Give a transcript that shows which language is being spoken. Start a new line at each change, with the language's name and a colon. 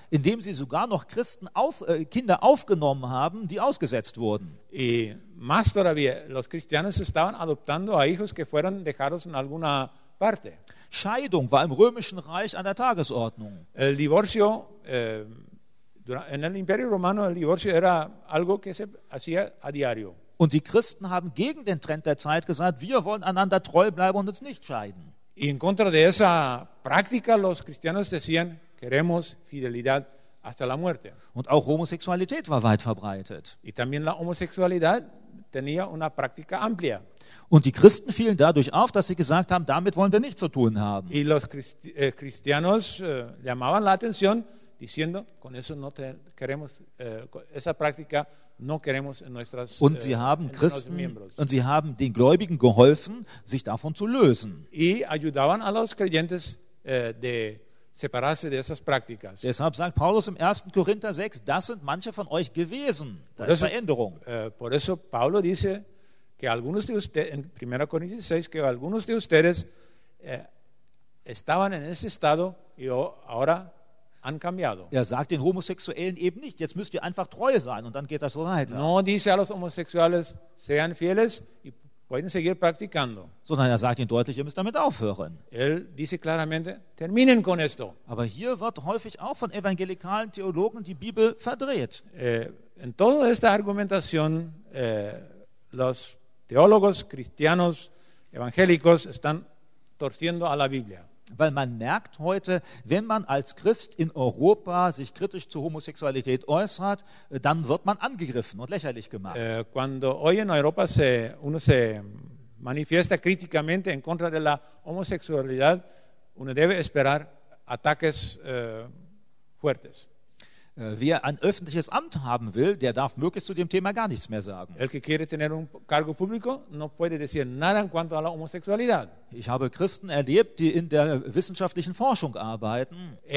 German: Indem sie sogar noch Christen Kinder aufgenommen haben, die ausgesetzt wurden.
Spanish: Y más todavía, los cristianos estaban adoptando a hijos que fueron dejados en alguna parte.
German: Scheidung war im Römischen Reich an der Tagesordnung.
Spanish: El divorcio en el Imperio Romano el divorcio era algo que se hacía a diario.
German: Und die Christen haben gegen den Trend der Zeit gesagt, wir wollen einander treu bleiben und uns nicht scheiden.
Spanish: Y en contra de esa práctica los cristianos decían, queremos fidelidad hasta la muerte.
German: Und auch Homosexualität war weit verbreitet.
Spanish: Y también la homosexualidad tenía una práctica amplia.
German: Und die Christen fielen dadurch auf, dass sie gesagt haben, damit wollen wir nichts zu tun haben.
Spanish: Y los cristianos llamaban la atención diciendo, con eso no te queremos, esa práctica no queremos en nuestras,
German: und sie haben Christen, und sie haben den Gläubigen geholfen, sich davon zu lösen.
Spanish: Y ayudaban a los creyentes, de separarse de esas prácticas.
German: Deshalb sagt Paulus im 1. Korinther 6, das sind manche von euch gewesen. Da ist Veränderung.
Spanish: Por eso Pablo dice que algunos de ustedes, en 1. Corintios 6, que algunos de ustedes estaban en ese estado y ahora han cambiado.
German: Er sagt den Homosexuellen eben nicht, jetzt müsst ihr einfach treu sein und dann geht das so weiter.
Spanish: No dice a los homosexuales, sean fieles y pueden seguir practicando.
German: Sondern er sagt ihnen deutlich, ihr müsst damit aufhören.
Spanish: Él dice claramente, terminen con esto.
German: Aber hier wird häufig auch von evangelikalen Theologen die Bibel verdreht.
Spanish: En toda esta argumentación, los teólogos cristianos evangélicos están torciendo a la Biblia.
German: Weil man merkt heute, wenn man als Christ in Europa sich kritisch zu Homosexualität äußert, dann wird man angegriffen und lächerlich gemacht.
Spanish: Cuando hoy en Europa uno se manifiesta críticamente en contra de la homosexualidad, uno debe esperar ataques fuertes.
German: Wer ein öffentliches Amt haben will, der darf möglichst zu dem Thema gar nichts mehr sagen.
Spanish: El que quiere tener un cargo público no puede decir nada en cuanto a la homosexualidad.
German: Ich habe Christen erlebt, die in der wissenschaftlichen Forschung arbeiten.